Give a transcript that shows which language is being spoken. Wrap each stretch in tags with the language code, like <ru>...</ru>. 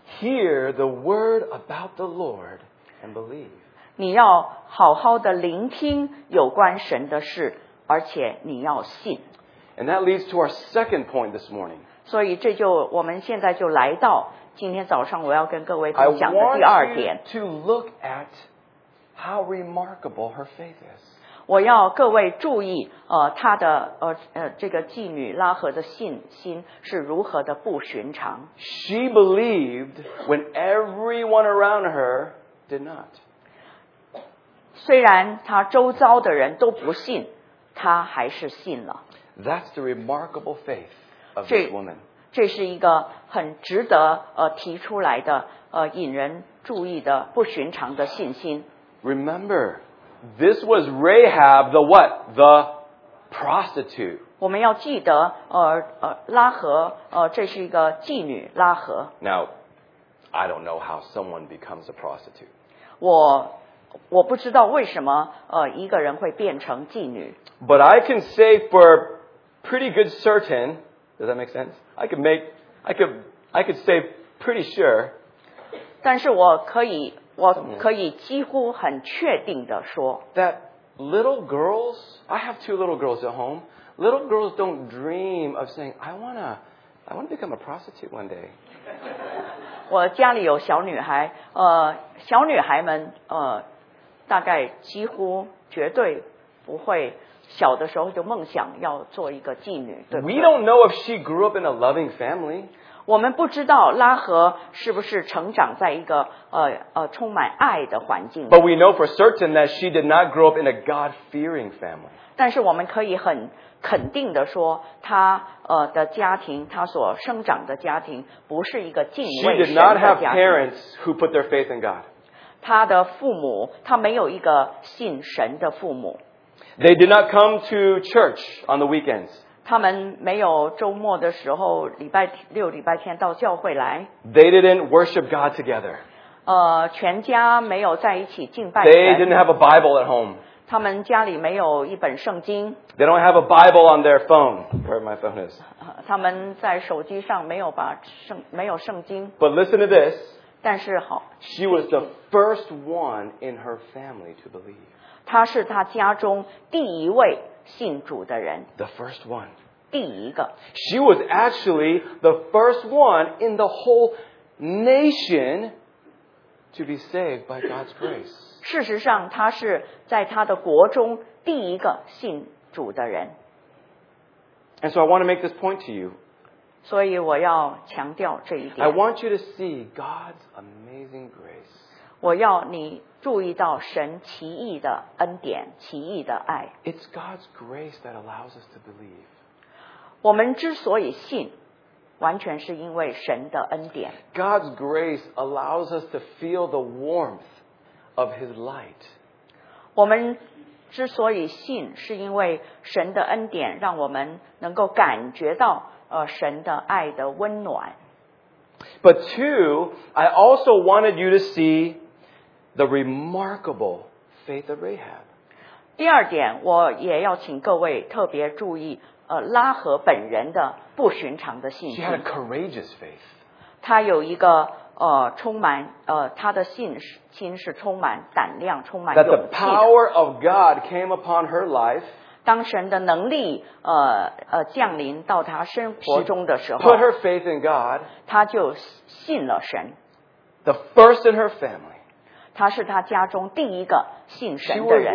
<en>Hear the word about the Lord and believe.</en> <zh>你要好好的聆听有关神的事，而且你要信。</zh> <en>And that leads to our second point this morning.</en> <zh>所以这就我们现在就来到今天早上我要跟各位分享的第二点。</zh> <en>I want you to look at how remarkable her faith is.</en> <zh>我要各位注意她的这个妓女拉合的信心是如何的不寻常。</zh> <en>She believed when everyone around her did not.</en> <zh>虽然她周遭的人都不信，她还是信了。</zh> <en>That's the remarkable faith of this woman.</en> <zh>这是一个很值得提出来的引人注意的不寻常的信心。</zh> <en>Remember, this was Rahab the what? The prostitute.</en> <zh>我们要记得拉合这是一个妓女拉合。</zh> <en>Now, I don't know how someone becomes a prostitute.</en> <zh>我不知道为什么一个人会变成妓女。</zh> <en>But I can say for... Pretty good certain. Does that make sense? I could say pretty sure.</en> <zh>但是我可以几乎很确定的说</zh> <en>that little girls. I have two little girls at home. Little girls don't dream of saying, "I wanna become a prostitute one day."</en> <zh>我家里有小女孩，小女孩们大概几乎绝对不会。小的时候就梦想要做一个妓女，对不对？</zh> <en>We don't know if she grew up in a loving family.</en> <zh>我们不知道拉合是不是成长在一个充满爱的环境。</zh> <en>But we know for certain that she did not grow up in a God-fearing family.</en> <zh>但是我们可以很肯定的说，她的家庭，她所生长的家庭不是一个敬畏神的家庭。</zh> <en>She did not have parents who put their faith in God.</en> <zh>她的父母，她没有一个信神的父母。</zh> <en>They did not come to church on the weekends.</en> <zh>他们没有周末的时候，礼拜六、礼拜天到教会来。</zh> <en>They didn't worship God together.</en> <zh>全家没有在一起敬拜。</zh> <en>They didn't have a Bible at home.</en> <zh>他们家里没有一本圣经。</zh> <en>They don't have a Bible on their phone. Where my phone is.</en> <zh>他们在手机上没有圣经。</zh> <en>But listen to this.</en> <zh>但是好。</zh> <en>She was the first one in her family to believe.</en> <zh>她是她家中第一位信主的人。</zh> <en>The first one.</en> <zh>第一个。</zh> <en>She was actually the first one in the whole nation to be saved by God's grace.</en> <zh>事实上，她是在她的国中第一个信主的人。</zh> <en>And so I want to make this point to you.</en> <zh>所以我要强调这一点。</zh> <en>I want you to see God's amazing grace.</en> <zh>我要你注意到神奇异的恩典，奇异的爱。</zh> <en>It's God's grace that allows us to believe.</en> <zh>我们之所以信，完全是因为神的恩典。</zh> <en>God's grace allows us to feel the warmth of His light.</en> <zh>我们之所以信，是因为神的恩典让我们能够感觉到神的爱的温暖。</zh> <en>But two, I also wanted you to see the remarkable faith of Rahab.</en> <zh>第二点，我也要请各位特别注意。拉合本人的不寻常的信心。</zh> <en>She had a courageous faith.</en> <zh>她有一个充满她的信心是充满胆量，充满勇气。</zh> <en>That the power of God came upon her life.</en> <zh>当神的能力降临到她生活中的时候。</zh> <en>Put her faith in God.</en> <zh>她就信了神。</zh> <en>The first in her family.</en> <zh>她是她家中第一个信神的人。</zh>